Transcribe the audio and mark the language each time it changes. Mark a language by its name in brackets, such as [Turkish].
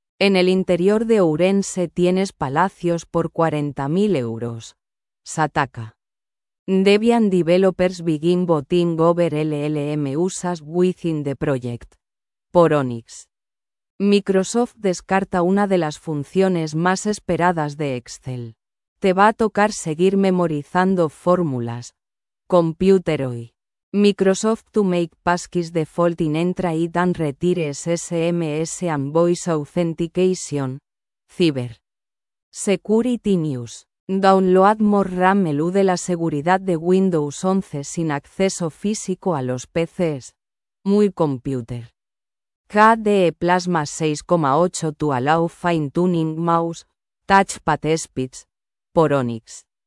[Spanish] En el interior de Ourense tienes palacios por 40.000 euros. Sataka. [English] Debian developers begin voting over LLM users within the project. Por Onyx. [Spanish] Microsoft descarta una de las funciones más esperadas de Excel. Te va a tocar seguir memorizando fórmulas. Computer hoy. [English] Microsoft to make passkeys default in entry and retire SMS and voice authentication. Cyber. Security News. [Spanish] Download more RAM elude la seguridad de Windows 11 sin acceso físico a los PCs. [English] Muy computer. KDE Plasma 6.8 to allow fine-tuning mouse, touchpad speeds, por Onyx.